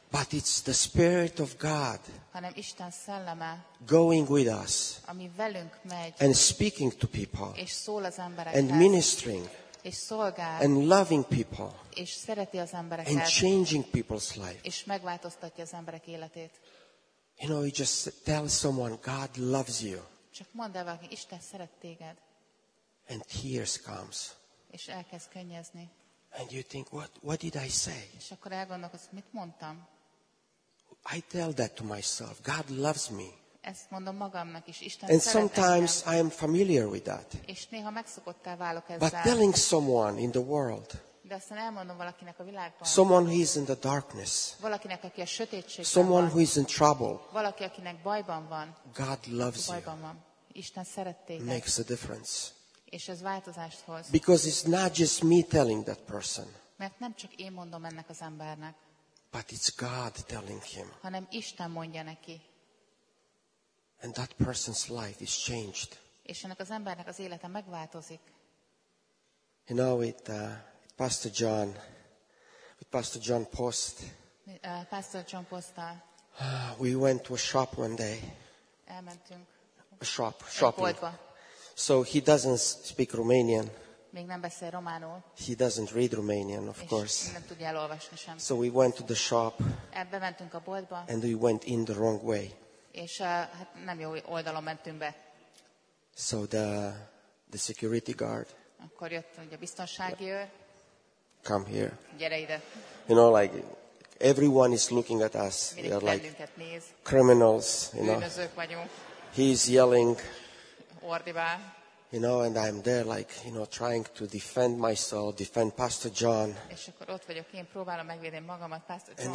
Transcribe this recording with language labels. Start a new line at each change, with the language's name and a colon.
English: But it's the Spirit of God.
Hungarian: Hanem Isten szelleme.
English: Going with us.
Hungarian: Ami velünk megy.
English: And speaking to people.
Hungarian: És szól az embereknek.
English: And ministering.
Hungarian: És szolgál.
English: And loving people.
Hungarian: És szereti az embereket.
English: And changing people's life.
Hungarian: És megváltoztatja az emberek életét.
English: You know, you just tell someone, God loves you.
Hungarian: Csak mondd el valaki, Isten szeret téged.
English: And tears comes.
Hungarian: És elkezd könnyezni.
English: And you think, what did I say?
Hungarian: És akkor elgondolkodsz, mit mondtam?
English: I tell that to myself. God loves me.
Hungarian: Ezt mondom magamnak is. Isten szeret engem.
English: And sometimes I am familiar with that.
Hungarian: És néha megszokottá válok ezzel.
English: But telling someone in the world.
Hungarian: De aztán elmondom valakinek a világban.
English: Someone who is in the darkness.
Hungarian: Valakinek, aki a sötétségben van.
English: Someone who is in trouble.
Hungarian: Valaki, akinek bajban van.
English: God loves you.
Hungarian: Bajban van. Isten szeret téged.
English: Makes a difference.
Hungarian: És ez változást hoz.
English: Because it's not just me telling that person.
Hungarian: Mert nem csak én mondom ennek az embernek.
English: But it's God telling him.
Hungarian: Hanem Isten mondja neki.
English: And that person's life is changed.
Hungarian: És ennek az embernek az élete megváltozik.
English: You know, with Pastor John, with Pastor John Post.
Hungarian: Pastor John Posttal.
English: We went to a shop one day.
Hungarian: Elmentünk.
English: A shop, shopping.
Hungarian: Boltba.
English: So he doesn't speak Romanian.
Hungarian: Még nem beszél románul.
English: He doesn't read Romanian, of course.
Hungarian: Nem tudja elolvasni sem.
English: So we went to the shop.
Hungarian: Bementünk a boltba.
English: And we went in the wrong way.
Hungarian: És hát nem jó oldalon mentünk be.
English: So the security guard.
Hungarian: Akkor jött ugye a biztonsági őr.
English: Come here.
Hungarian: Gyere ide.
English: You know, like everyone is looking at us.
Hungarian: Mindig
English: we are like
Hungarian: néz.
English: Criminals, you know.
Hungarian: Bűnözők vagyunk.
English: He is yelling.
Hungarian: Ordibál.
English: You know, and I'm there like, you know, trying to defend myself, defend Pastor John.
Hungarian: És akkor ott vagyok, én próbálom megvédeni magamat, Pastor John.